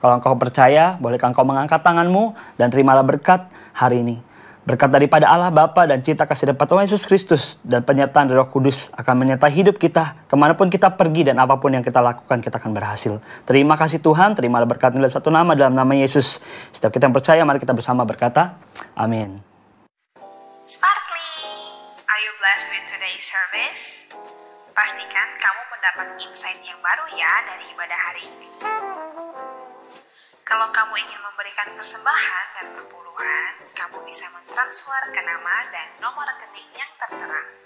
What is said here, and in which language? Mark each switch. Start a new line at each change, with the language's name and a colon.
Indonesian: Kalau engkau percaya, bolehkah engkau mengangkat tanganmu, dan terimalah berkat hari ini. Berkat daripada Allah Bapa dan cinta kasih dari Tuhan Yesus Kristus, dan penyertaan dari Roh Kudus akan menyertai hidup kita, kemanapun kita pergi, dan apapun yang kita lakukan, kita akan berhasil. Terima kasih Tuhan, terimalah berkat dalam satu nama, dalam nama Yesus. Setiap kita yang percaya, mari kita bersama berkata, amin.
English: Sparkling, are you blessed with today's service?
Indonesian: Pastikan kamu mendapat insight yang baru ya dari ibadah hari ini. Kalau kamu ingin memberikan persembahan dan perpuluhan, kamu bisa mentransfer ke nama dan nomor rekening yang tertera.